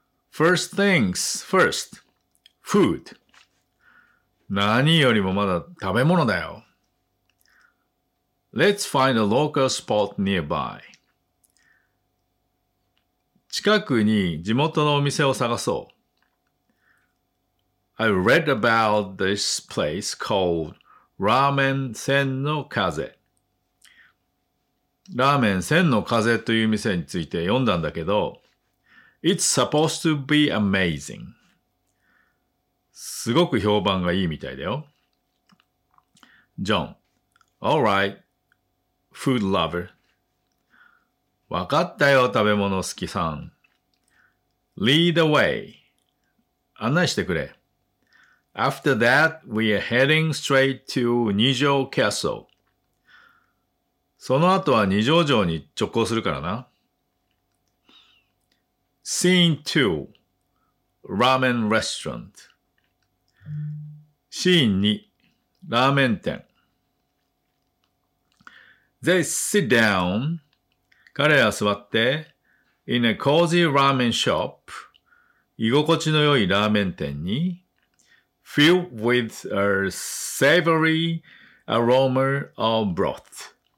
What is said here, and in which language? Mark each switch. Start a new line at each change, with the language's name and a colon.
English: First things first. Food.
Japanese: 何よりもまだ食べ物だよ。
English: Let's find a local spot nearby.
Japanese: 近くに地元のお店を探そう。
English: I read about this place called Ramen Sen no Kaze.
Japanese: ラーメン千の風という店について読んだんだけど、
English: It's supposed to be amazing.
Japanese: すごく評判がいいみたいだよ。
English: ジョン、All right, food lover.
Japanese: わかったよ、食べ物好きさん。
English: Lead the way.
Japanese: 案内してくれ。
English: After that, we are heading straight to Nijo Castle.
Japanese: その後は二条城に直行するからな。
English: Scene 2 Ramen Restaurant Scene 2
Japanese: ラーメン店
English: They sit down
Japanese: 彼ら座って
English: In a cozy ramen shop
Japanese: 居心地の良いラーメン店に
English: Filled with a savory aroma of broth.